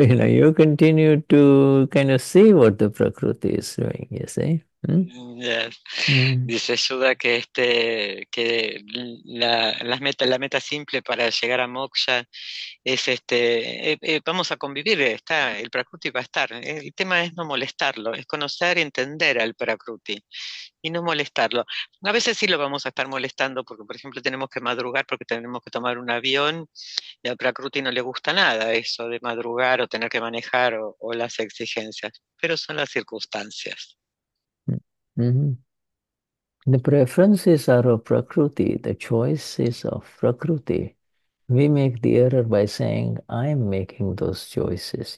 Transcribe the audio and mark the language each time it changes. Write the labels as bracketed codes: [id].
[en] You know, you continue to kind of see what the prakriti is doing. You see. Yes. [es] Dice Yuda que la meta simple para llegar a moksha es vamos a convivir, el Prakruti va a estar. El tema es no molestarlo, es conocer y entender al Prakruti y no molestarlo. A veces sí lo vamos a estar molestando porque, por ejemplo, tenemos que madrugar porque tenemos que tomar un avión y al Prakruti no le gusta nada eso de madrugar o tener que manejar o las exigencias, pero son las circunstancias. [en] The preferences are of prakriti, the choice is of prakriti. We make the error by saying, "I am making those choices."